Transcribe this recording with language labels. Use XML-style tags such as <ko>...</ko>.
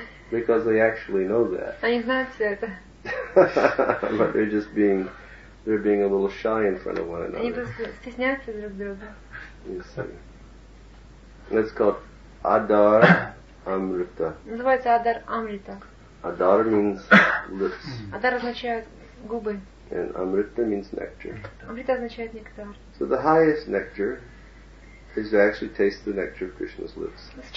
<en>Because they actually know that.</en> <ru>Они знают все это.</ru> <en>But they're being a little shy in front of one another.</en> <ru>Они просто стесняются друг друга.</ru> <en>Yes. It's called Adar Amrita.</en> <ru>Называется Adar Amrita.</ru> <en>Adar means lips.</en> <ru>Adar означает губы.</ru> <en>And Amrita means nectar.</en> <ru>Amrita означает нектар.</ru> <en>So the highest nectar is to actually taste the nectar of Krishna's lips.</en>